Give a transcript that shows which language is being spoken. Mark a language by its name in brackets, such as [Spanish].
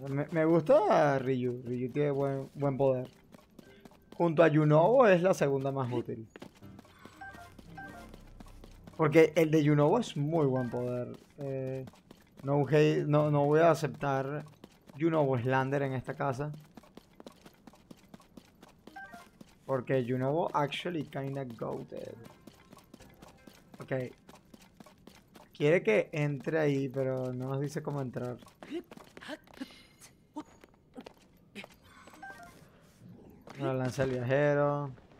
[Spanish] Me gusta a Ryu. Ryu tiene buen poder. Junto a Yunobo es la segunda más útil. Porque el de Yunobo es muy buen poder. No voy a aceptar Yunobo Slander en esta casa. Porque [English] you know actually kinda goated. Ok. [Spanish] Quiere que entre ahí, pero no nos dice cómo entrar. Bueno, lanza el viajero.